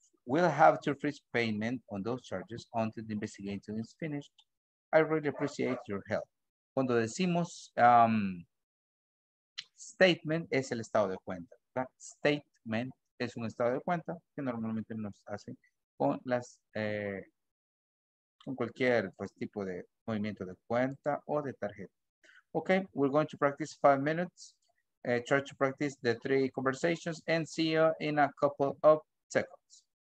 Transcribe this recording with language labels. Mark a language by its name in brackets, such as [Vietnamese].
[English] We'll have to freeze payment on those charges until the investigation is finished. I really appreciate your help. [Spanish] Cuando decimos statement es el estado de cuenta. Statement. Es un estado de cuenta que normalmente nos hacen con las con cualquier pues, tipo de movimiento de cuenta o de tarjeta. [English] Okay, we're going to practice 5 minutes. Try to practice the 3 conversations and see you in a couple of seconds.